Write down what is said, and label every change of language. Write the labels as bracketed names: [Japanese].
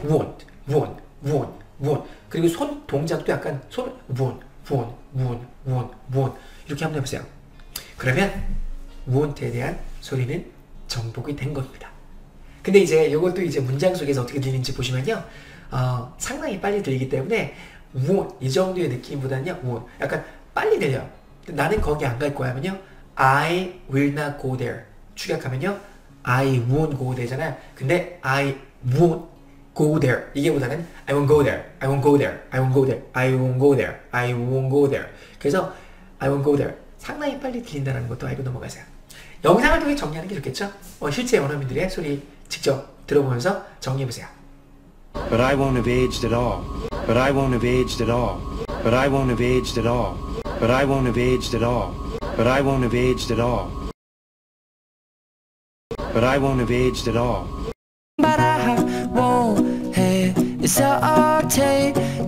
[Korean] 원트, 원트, 원트, 원트. 그리고 손 동작도 약간 손, 원트, 원트, 원트, 원트, 원트. 이렇게 한번 해보세요. 그러면 원트에 대한 소리는 정복이 된 겁니다. 근데 이제 이것도 이제 문장 속에서 어떻게 들리는지 보시면요, 상당히 빨리 들리기 때문에 won 이 정도의 느낌보다는요 won 약간 빨리 들려요. 나는 거기 안 갈 거야 하면요 [English] I will not go there [Korean] 축약하면요 [English] I won't go there [Korean] 잖아요. [English] 근데 I won't go there 이게보다는 I won't go there, I won't go there, I won't go there, I won't go there, I won't go there. [Korean] 그래서 I won't go there 상당히 빨리 들린다는 것도 알고 넘어가세요. 영상을 통해 정리하는 게 좋겠죠? 실제 원어민들의 소리 직접 들어보면서 정리해보세요. [English] But I won't have aged at all. But I won't have aged at all. But I won't have aged at all. But I won't have aged at all. But I won't have aged at all. But I won't have aged at all. But I won't have aged at all. But I won't have aged at all.